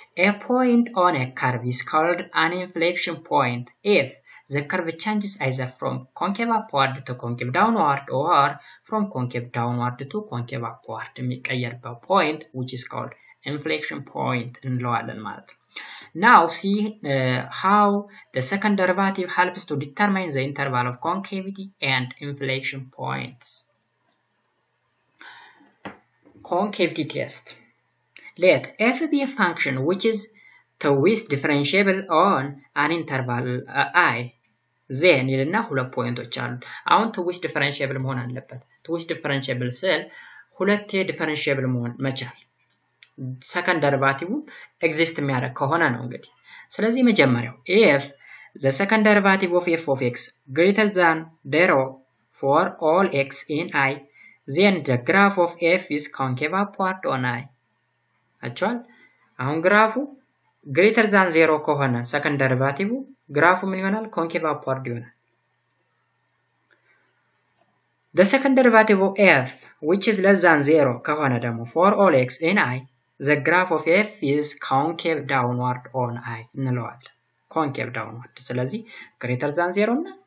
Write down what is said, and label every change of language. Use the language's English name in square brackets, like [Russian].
[English] a point on a curve is called an inflection point if the curve changes either from concave upward to concave downward or from concave downward to concave upward የሚቀየርበት point which is called inflection point እንለዋለን ማለት ነው Now see how the second derivative helps to determine the interval of concavity and inflection points. Concavity test. Let f be a function which is twice differentiable on an interval i. [Amharic] ዜን ይልና ሁለት ፖይንቶች አሉ። አሁን ትዊች ዲፈረንሺየብል መሆን አለበት። ትዊች ዲፈረንሺየብል ሲል ሁለቴ ዲፈረንሺየብል መሆን መቻል ሰከንድ ደርቫቲቭ ኤግዚስት የሚያደርግ ከሆነ ነው እንግዲህ። ስለዚህ መጀመሪያው if the second derivative of f of x greater than 0 for all x in I, then the graph of f is concave upward on I. አቻል አሁን ግራፉ greater than 0 ከሆነ second derivative ግራፉ ምን ይሆናል? [English] concave upward ይሆናል። The second derivative of f which is less than 0 ከሆነ ደግሞ for all x in I, the graph of f is concave downward on I እንለዋለን። concave downward ስለዚህ greater than 0 እና